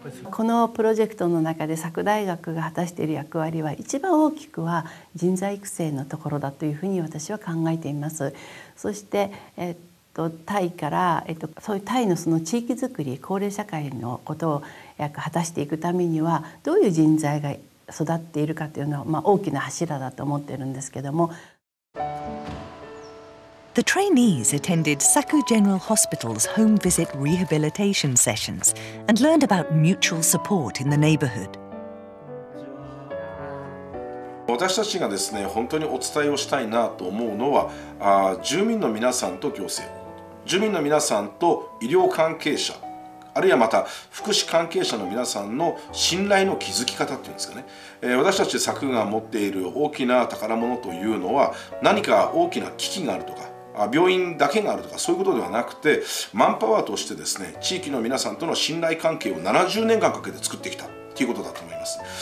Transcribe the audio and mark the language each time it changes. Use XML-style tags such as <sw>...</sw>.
<ja>このプロジェクトの中で佐久大学が果たしている役割は一番大きくは人材育成のところだというふうに私は考えています。そしてタイからそういうタイのその地域づくり高齢社会のことを果たしていくためにはどういう人材が育っているかというのは、大きな柱だと思っているんですけども。</ja> <en>The trainees attended Saku General Hospital's home visit rehabilitation sessions and learned about mutual support in the neighborhood.</en> <ja>私たちがですね、本当にお伝えをしたいなと思うのは、住民の皆さんと行政、住民の皆さんと医療関係者。あるいはまた福祉関係者の皆さんの信頼の築き方っていうんですかね。私たち佐久が持っている大きな宝物というのは何か大きな危機があるとか病院だけがあるとかそういうことではなくてマンパワーとしてですね地域の皆さんとの信頼関係を70年間かけて作ってきたっていうことだと思います。</ja>